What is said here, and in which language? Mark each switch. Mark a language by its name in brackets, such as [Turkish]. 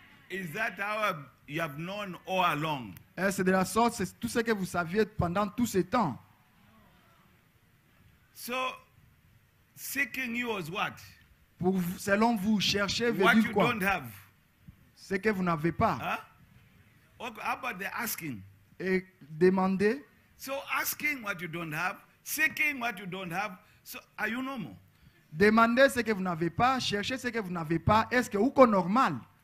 [English] Is that our you have known all along? [French] Et c'est de la sorte, c'est tout ce que vous saviez pendant tout ce temps. [English] So, seeking you was what? [French] Pour vous, selon vous, chercher veut [English] what [French] dire [English] you [French] quoi? [English] Don't have. [French] Ce que vous n'avez pas. [English] Huh? Okay, how about the asking? [French] Et demander. [English] So, asking what you don't have, seeking what you don't have, so are you normal? [French] Demander ce que vous n'avez pas, chercher ce que vous n'avez pas, est-ce que vous êtes normal?